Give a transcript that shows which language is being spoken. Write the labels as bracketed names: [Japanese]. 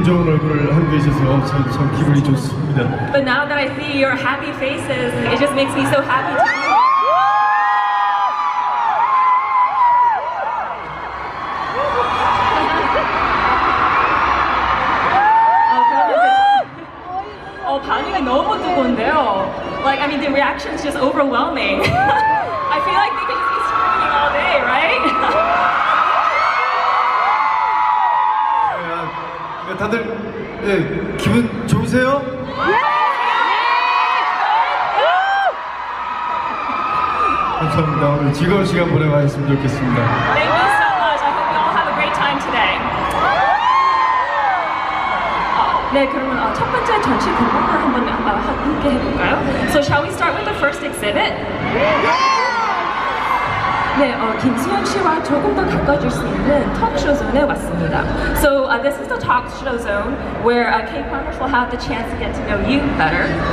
[English] But now that I see your happy faces, it just makes me so happy to be here. [Korean] Oh, 반응이 너무 뜨거운데요. [English] Like, I mean, the reaction's just overwhelming. I feel like they could just be screaming all day, right? [Korean] 다들 네, 기분 좋으세요? [English] Yeah! [Korean] 감사합니다. 오늘 즐거운 시간 보내봤으면 좋겠습니다. [English] Thank you so much. I hope you all have a great time today. [Korean] 네, 그러면 첫 번째 전시 공간을 한번 함께 해볼까요? [English] So shall we start with the first exhibit? Yeah! [Korean] 네, 김수현 씨와 조금 더 가까워질 수 있는 토크쇼 존에 왔습니다. [English] So this is the talk show zone where K-Coners will have the chance to get to know you better.